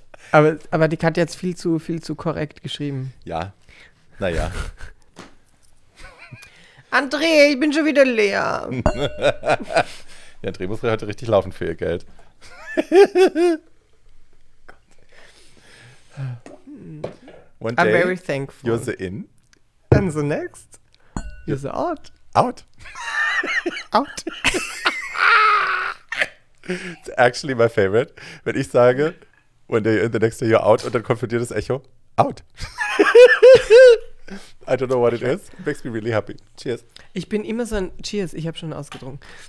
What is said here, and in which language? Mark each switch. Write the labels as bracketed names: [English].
[German] aber die Katja hat jetzt viel zu korrekt geschrieben. Ja, naja. André, ich bin schon wieder leer. Ja, André muss heute richtig laufen für ihr Geld. [English] One day, I'm very thankful. You're the in. And the next, you're the out. Out. Out. It's actually my favorite, [German] wenn ich sage, [English] when you're in the next day, you're out, [German] und dann kommt für dir das Echo, [English] out. I don't know what it is, makes me really happy. Cheers. [German] Ich bin immer so ein, cheers, ich habe schon ausgetrunken.